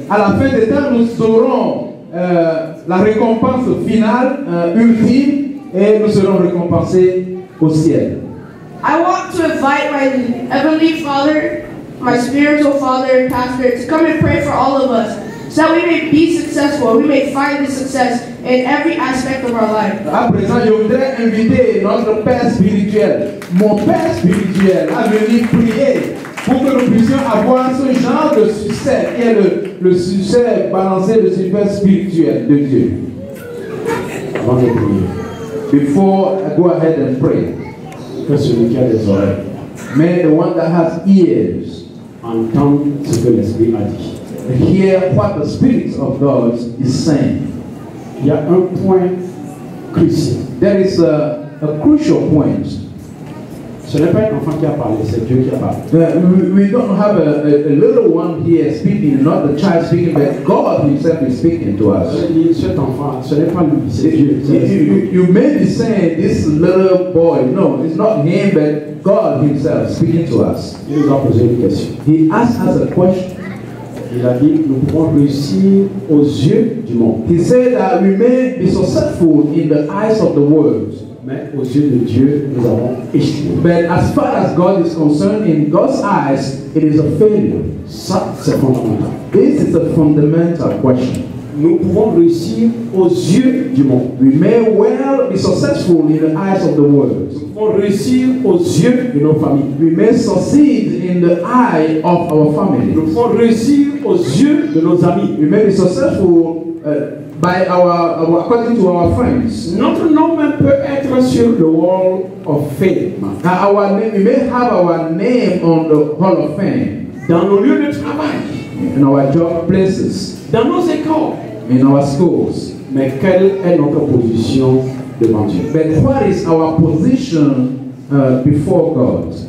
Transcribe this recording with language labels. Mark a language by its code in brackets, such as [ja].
[fr] À la fin des temps, nous serons la récompense finale ultime et nous serons récompensés au ciel. [en] I want to invite my heavenly Father, my spiritual father and pastor, to come and pray for all of us so that we may be successful, we may find the success in every aspect of our life. [fr] À présent, je voudrais inviter notre père spirituel, mon père spirituel, à venir prier pour que nous puissions avoir ce genre de succès qui est le succès balancé, le succès spirituel de Dieu. Avant de prier, [en] before I go ahead and pray, [fr] que celui qui a des oreilles, [en] may the one that has ears [fr] entend ce que l'Esprit a dit. [en] Hear what the Spirit of God is saying. [fr] Il y a un point crucial. [en] There is a crucial point. [fr] Ce n'est pas un enfant qui a parlé, c'est Dieu qui a parlé. [en] We don't have a little one here speaking, not the child speaking, but God himself is speaking to us. [fr] Cet enfant, ce n'est pas lui, c'est Dieu. [en] You may be saying this little boy. No, it's not him, but God himself speaking to us. [fr] Il nous a posé une question. [en] He asked us a question. [fr] Il a dit, nous pouvons réussir aux yeux du monde. [en] He said that we may be successful in the eyes of the world. [fr] Mais aux yeux de Dieu, nous avons échoué. [en] But as far as God is concerned, in God's eyes, it is a failure. [fr] Ça, c'est fondamental. [en] This is a fundamental question. [fr] Nous pouvons réussir aux yeux du monde. [en] We may well be successful in the eyes of the world. [fr] Nous pouvons réussir aux yeux de nos familles. [en] We may succeed in the eye of our family. [fr] Nous pouvons réussir aux yeux de nos amis. [en] We may be successful by our according to our friends. [fr] Notre nom même peut être sur le [en] wall of fame. Our name, we may have our name on the hall of fame. [fr] Dans nos lieux de travail. [en] In our job places. [fr] Dans nos écoles. [en] In our schools. [fr] Mais quelle est notre position devant Dieu? [en] But what is our position before God?